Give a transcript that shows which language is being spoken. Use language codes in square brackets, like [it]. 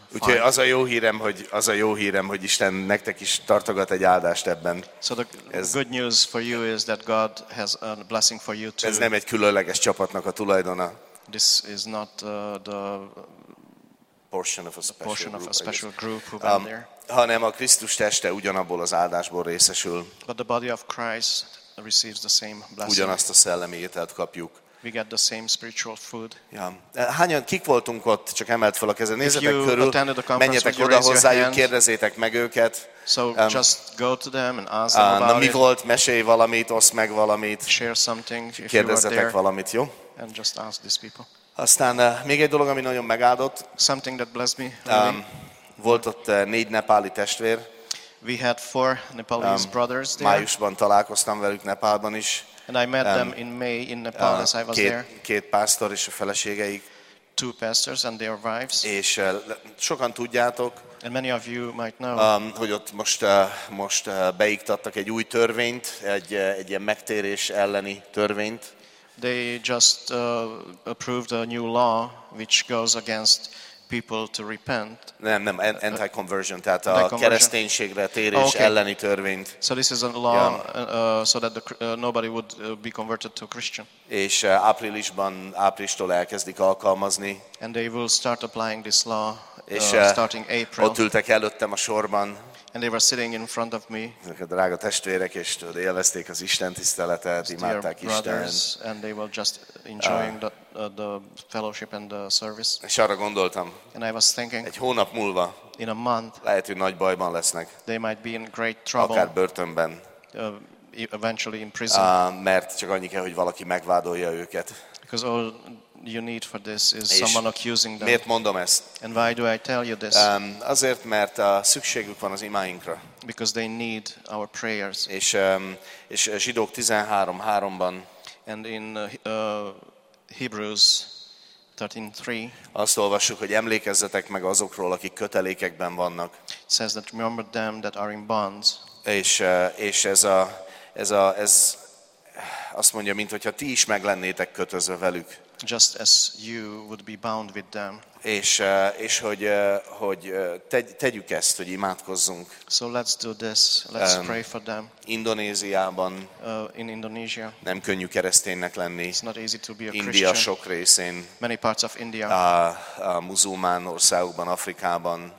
[hu] Úgyhogy az a jó hírem, hogy Isten nektek is tartogat egy áldást ebben. [en] So the good news for you is that God has a blessing for you too. [hu] Ez nem egy különleges csapatnak a tulajdona. [en] This is not the portion of a special, portion of group, a special group who went there. [hu] Hanem a Krisztus teste ugyanabból az áldásból részesül. [en] But the body of Christ receives the same blessing. [hu] Ugyanazt a szellemi ételt kapjuk. [en] We get the same spiritual food. [hu] Ja. Hányan, kik voltunk ott? Csak emelt fel a kezed. Nézzetek körül, menjetek oda hozzájuk, kérdezzétek meg őket. [en] So just go to them and ask them about [hu] na, mi volt? Mesélj valamit, oszd meg valamit. [en] Share something if [hu] kérdezzetek [en] you were there, [hu] valamit, jó? [en] And just ask these people. [hu] Aztán még egy dolog, ami nagyon megáldott. [en] Something that blessed me, really. [hu] Volt ott 4 nepáli testvér. [en] We had 4 Nepalese brothers there. [hu] Májusban találkoztam velük Nepálban is. [en] And I met them in May in Nepal as I was there. [hu] Két pásztor és a feleségeik. [en] two pastors and their wives. [hu] És sokan tudjátok, [en] and many of you might know, [hu] hogy ott most beiktattak egy új törvényt, egy ilyen megtérés elleni törvényt. [en] They just approved a new law which goes against people to repent. [hu] Nem, anti-conversion, tehát a kereszténységre térés elleni törvényt. [en] So this is a law so that nobody would be converted to a Christian. [hu] És áprilistól elkezdik alkalmazni. [en] And they will start applying this law starting April. [hu] Ott ültek előttem a sorban. [en] And they were sitting in front of me. [hu] Ezek a drága testvérek, és élvezték az Isten tiszteletet, imádták Istent. [en] And they were just enjoying the fellowship and the service. [hu] És arra gondoltam. [en] And I was thinking. [hu] Egy hónap múlva. [en] In a month. [hu] Lehet, hogy nagy bajban lesznek. [en] They might be in great trouble. [hu] Akár börtönben. [en] Eventually in prison. [hu] Mert csak annyi kell, hogy valaki megvádolja őket. [en] Because all you need for this is someone accusing them. [hu] Miért mondom ezt? [en] And why do I tell you this? [hu] Azért, mert szükségük van az imáinkra. [en] Because they need our prayers. [hu] És Zsidók 13:3-ban. [en] And in Hebrews 13:3. [hu] Azt olvassuk, hogy emlékezzetek meg azokról, akik kötelékekben vannak. [en] It says that remember them that are in bonds. [hu] És ez azt mondja, mint hogyha ti is meg lennétek kötözve velük. [en] Just as you would be bound with them. [hu] És hogy tegyük ezt, hogy imádkozzunk. [en] So let's do this. Let's pray for them. [hu] Indonéziában. [en] In Indonesia. [hu] Nem könnyű kereszténynek lenni. [en] It's not easy to be a Christian. [hu] India sok részén. [en] Many parts of India. [hu] A muzulmán országokban, Afrikában.